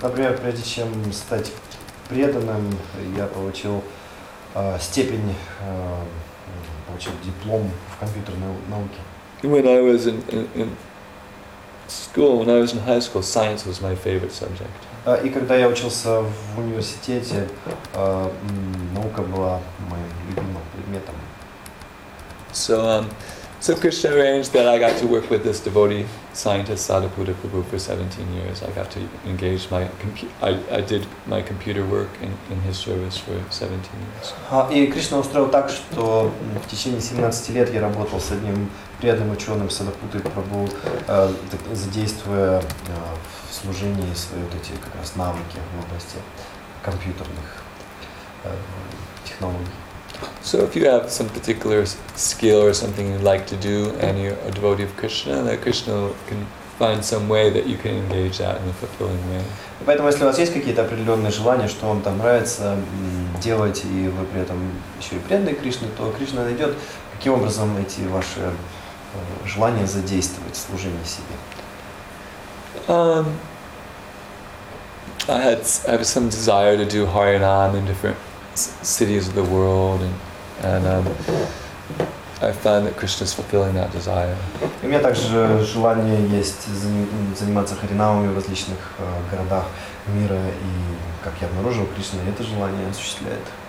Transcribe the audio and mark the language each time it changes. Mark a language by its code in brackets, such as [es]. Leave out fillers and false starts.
[ru] Например, прежде чем стать преданным, я получил получил диплом в компьютерной науке. [en] When I was in school, when I was in high school, science was my favorite subject. [ru] И когда я учился в университете, наука была моим любимым предметом. [en] So Krishna arranged that I got to work with this devotee scientist Sadaputta Prabhu for 17 years. I got to engage my I did my computer work in his service for 17 years. [ru] И Кришна устроил так, что в течение 17 лет я работал с одним преданным ученым Садапутой Прабху, задействуя в служении свои вот эти как раз навыки в области компьютерных технологий. [en] So if you have some particular skill or something you'd like to do and you're a devotee of Krishna, then Krishna can find some way that you can engage that in a fulfilling way. [ru] Поэтому если у вас есть какие-то определенные желания, что вам там нравится делать, и вы при этом еще и преданы Кришне, то Кришна найдет, каким образом эти ваши желания задействовать в служении себе. [en] I have some desire to do Harinam in different cities of the world, and I find that Krishna is fulfilling that desire. [ru] У меня также желание есть заниматься харинамами в различных городах мира, и как я обнаружил, Кришна это желание осуществляет.